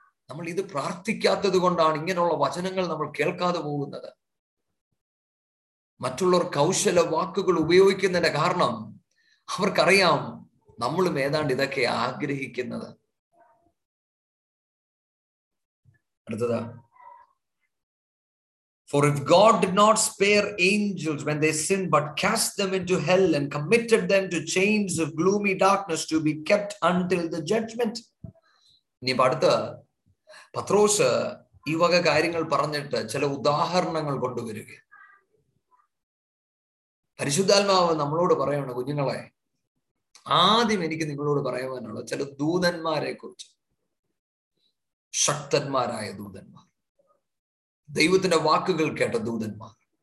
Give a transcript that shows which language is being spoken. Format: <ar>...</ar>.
<ml>നമ്മൾ ഇത് പ്രാർത്ഥിക്കാത്തത് കൊണ്ടാണ് ഇങ്ങനെയുള്ള വചനങ്ങൾ നമ്മൾ കേൾക്കാതെ പോകുന്നത്. മറ്റുള്ളവർ കൗശല വാക്കുകൾ ഉപയോഗിക്കുന്നതിന്റെ കാരണം അവർക്കറിയാം നമ്മളും ഏതാണ്ട് ഇതൊക്കെ ആഗ്രഹിക്കുന്നത്. അടുത്തതാ,</ml> <en>For if God did not spare angels when they sinned, but cast them into hell and committed them to chains of gloomy darkness to be kept until the judgment.</en> <ml>നീ പറഞ്ഞു, പത്രോസ് ഈ വക കാര്യങ്ങൾ പറഞ്ഞിട്ട് ചില ഉദാഹരണങ്ങൾ കൊണ്ടുവരിക. പരിശുദ്ധാത്മാവ് നമ്മളോട് പറയുന്നു, കുഞ്ഞുങ്ങളെ, ആദ്യം എനിക്ക് നിങ്ങളോട് പറയാനുള്ള ചില ദൂതന്മാരെ കുറിച്ച്, ശക്തന്മാരായ ദൂതന്മാർ, ദൈവത്തിന്റെ വാക്കുകൾ കേട്ട ദൂതന്മാർ.</ml>